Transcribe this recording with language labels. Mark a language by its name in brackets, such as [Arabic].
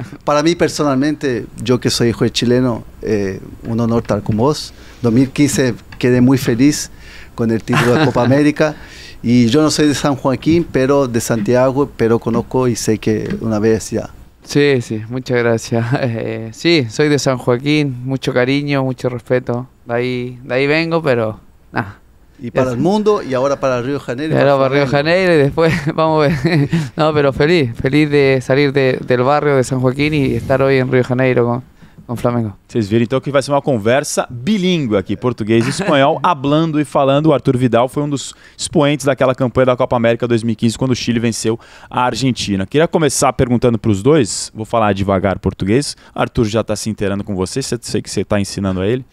[Portuguese] Para mim, personalmente, eu que sou [Spanish] hijo de chileno, [Portuguese] é um honor estar com você. 2015, quedei muito feliz com o título da Copa América. E eu não sou de San Joaquim, [Spanish] pero de Santiago, pero conozco [Portuguese] e sei que uma vez já. [Spanish] Sí, muchas gracias. Sí, soy de San Joaquín, mucho cariño, mucho respeto. De ahí vengo, pero nada. Y para el mundo y ahora para Río Janeiro. Claro, para Río Janeiro y después vamos a ver. No, pero feliz de salir del barrio de San Joaquín y estar hoy en Río Janeiro [Portuguese] com Flamengo. Vocês viram então que vai ser uma conversa bilíngue aqui, português e espanhol, hablando e falando. O Arthur Vidal foi um dos expoentes daquela campanha da Copa América 2015, quando o Chile venceu a Argentina. Queria começar perguntando para os dois, vou falar devagar português. Arthur já está se inteirando com você, sei que você está ensinando a ele.